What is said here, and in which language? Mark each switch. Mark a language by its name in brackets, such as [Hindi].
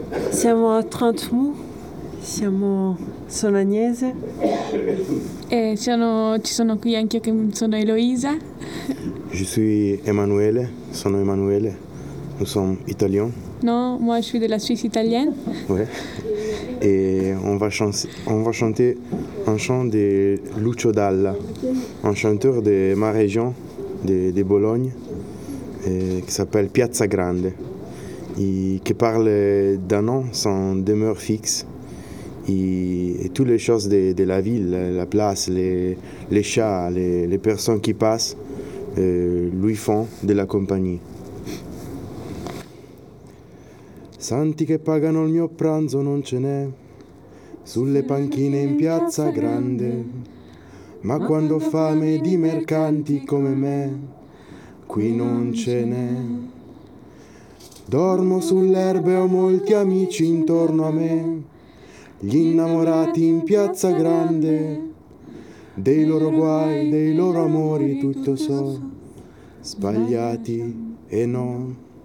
[Italian] Siamo a Trentemont, siamo sono Agnese. E sono, ci sono qui anche io che sono Eloisa. [French] Je suis Emanuele, [Italian] sono Emanuele, [French] nous sommes italiens. Non, moi je suis de la Suisse italienne. Ouais. Et on va chanter un chant de Lucio Dalla, un chanteur de ma région, de Bologne, qui s'appelle Piazza Grande, qui parle d'un nom sans demeure fixe. Et toutes les choses de la ville, la place, les chats, les personnes qui passent, lui font de la compagnie. [Italian] Santi che pagano il mio pranzo non ce n'è sulle panchine in piazza grande, ma quando ho fame di mercanti come me qui non ce n'è. Dormo sull'erba e ho molti amici intorno a me, gli innamorati in piazza grande, dei loro guai, dei loro amori tutto so, sbagliati e no.